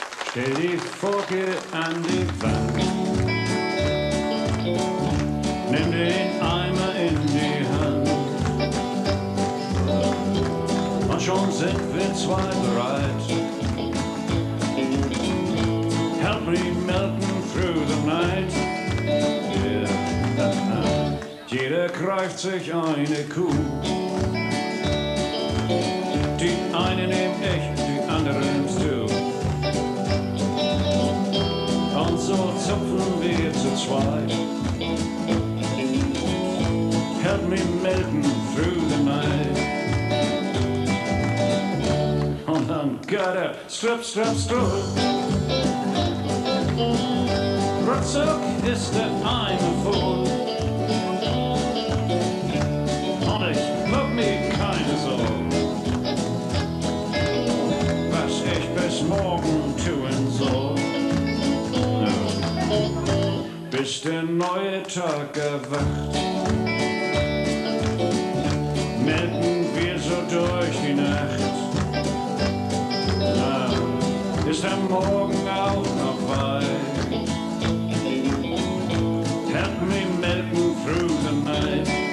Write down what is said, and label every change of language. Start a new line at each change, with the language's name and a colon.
German: Stell die Forke an die Wand, nimm den Eimer in die Hand, und schon sind wir zwei bereit.
English: Help me melken through the night. Yeah.
German: Jeder greift sich eine Kuh, die eine nehm ich, die andere nimmst du. Und so zupfen wir zu zweit.
English: Help me melken through the night.
German: Und dann
English: gotta strip, strip, strip.
German: Ruckzuck ist der Eimer voll. Und ich mag mir keine Sorgen, was ich bis morgen tun soll. Bis der neue Tag erwacht, melken wir so durch die Nacht. Na, ist der Morgen auch noch weit?
English: Help me melken through the night.